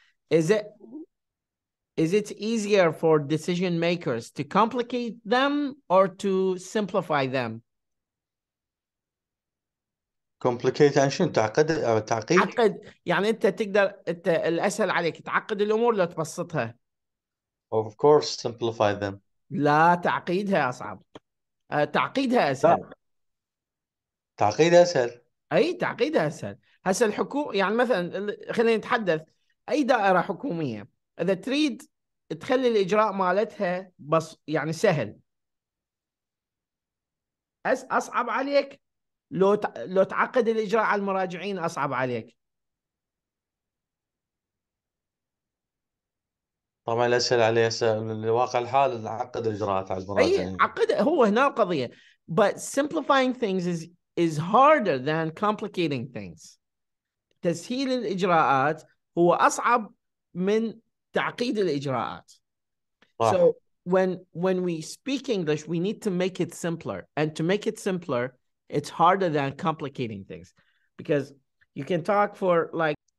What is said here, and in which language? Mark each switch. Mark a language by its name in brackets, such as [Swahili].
[English] Is it easier for decision makers to complicate them or to simplify them? [Arabic] Complication شنو تعقد أو تعقيد؟ تعقد يعني أنت تقدر أنت الأسهل عليك تعقد الأمور لا تبسطها. [English] Of course, simplify them. [Arabic] لا تعقيدها أصعب. تعقيدها أسهل. تعقيدها أسهل. أي تعقيدها أسهل. هسه الحكومة يعني مثلا خلينا نتحدث أي دائرة حكومية. إذا تريد تخلي الإجراء مالتها بس يعني سهل أصعب عليك لو تعقد الإجراء على المراجعين أصعب عليك طبعا الأسهل عليه الواقع الحال نعقد الإجراءات على المراجعين أي عقد هو هنا القضية [English] but simplifying things is harder than complicating things [Arabic] تسهيل الإجراءات هو أصعب من تعقيد الإجراءات. [English] So when we speak English, we need to make it simpler. And to make it simpler, it's harder than complicating things. Because you can talk for like...